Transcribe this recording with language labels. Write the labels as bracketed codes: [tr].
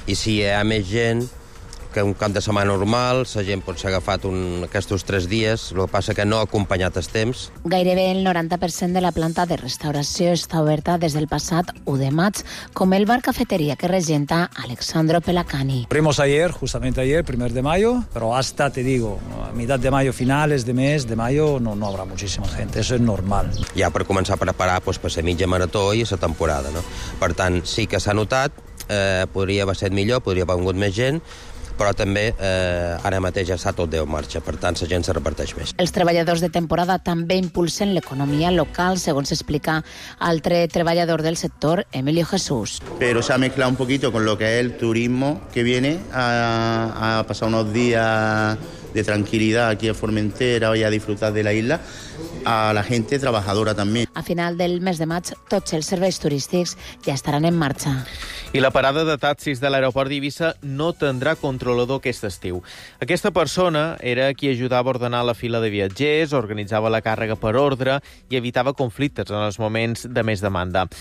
[ca] I si hi ha més gent que un cap de setmana normal, la gent pot ser agafat aquests tres dies, el que passa que no ha acompanyat el temps. Gairebé el 90% de la planta de restauració està oberta des del passat 1 de maig, com el bar cafeteria que regenta Alexandro Pelacani. [es] Primos ayer, justamente ayer, primer de mayo, però hasta, te digo, a mitad de mayo, finales de mes, de mayo, no habrá muchísima gente, eso es normal. [ca] Ja per començar a preparar, pues, per ser mitja marató i la temporada, no? Per tant, sí que s'ha notat, podria haver estat millor, podria haver vingut més gent, però també ara mateix està tot en marxa, per tant, la gent se reparteix més. Els treballadors de temporada també impulsen l'economia local, segons explica altre treballador del sector, Emilio Jesús. Però s'ha mesclat [es] un poquito con lo que es el turismo que viene a pasar unos días de tranquilidad aquí a Formentera y a disfrutar de la isla, a la gente trabajadora también. [ca] A final del mes de maig, tots els serveis turístics ja estaran en marxa. I la parada de taxis de l'aeroport d'Eivissa no tindrà controlador aquest estiu. Aquesta persona era qui ajudava a ordenar la fila de viatgers, organitzava la càrrega per ordre i evitava conflictes en els moments de més demanda.